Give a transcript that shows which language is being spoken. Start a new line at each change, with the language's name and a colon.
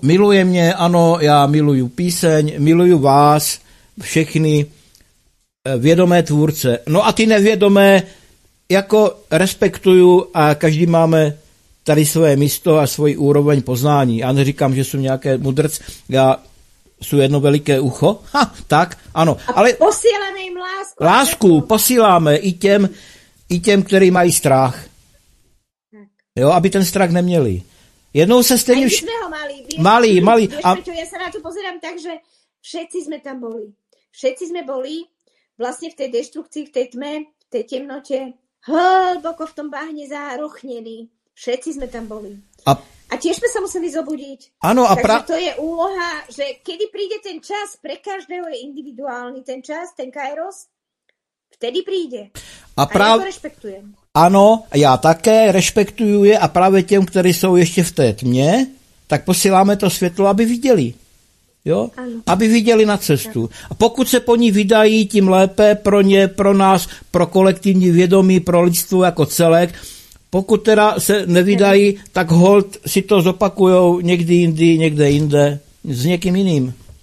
Czech: Miluje mě, ano, já miluju píseň, miluju vás, všechny vědomé tvůrce. No a ty nevědomé, jako respektuju a každý máme tady svoje místo a svoji úroveň poznání. Já neříkám, že jsem nějaký mudrc, já...
Slovak: sú jedno veľké ucho, ha, tak, áno. Ale posielame im lásku.
Czech: Lásku posíláme i těm, ktorí mají strach. Tak. Jo, aby ten strach nemieli. Jednou sa stejne...
Slovak: Aj sme ho mali. Mali. Peťo, ja sa na to pozerám tak, že všetci sme tam boli. Všetci sme boli vlastne v tej deštrukcii, v tej tme, v tej temnote, hlboko v tom bahne zárochnení. Všetci sme tam boli. A tiež sme sa museli zobudiť. Áno, a takže to je úloha, že kedy príde ten čas, pre každého je individuálny ten čas, ten kairos, vtedy príde. A ja to rešpektujem. Áno, ja také rešpektujem je a práve tým, ktorí sú ešte
Czech: v té tmě, tak posíláme
Slovak: to svetlo, aby videli. Jo? Aby videli na cestu.
Czech: A pokud sa po ní vydají, tým lépe pro ně, pro nás, pro kolektívne vedomí, pro lidstvo ako celek. Pokud teda se nevydají, tak hold si to zopakujou někdy jindy, někde jinde, s někým jiným.